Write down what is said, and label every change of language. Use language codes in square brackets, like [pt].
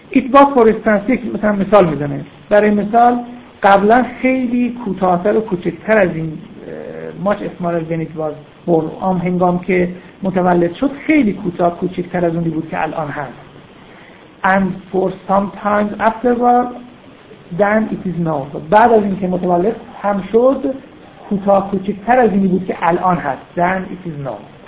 [en] It was for instance, [fa] مثلا مثال میزنه، برای مثال قبلا خیلی کوتاه‌تر و کوچکتر از این [en] much smaller than it was born، [fa] هنگام که متولد شد خیلی کوتاه کوچکتر از اونی بود که الان هست. [en] And for some times afterward then it is now. [fa] بعد از اینکه متولد هم شد کوتاه کوچکتر از اینی بود که الان هست، [en] then it is now.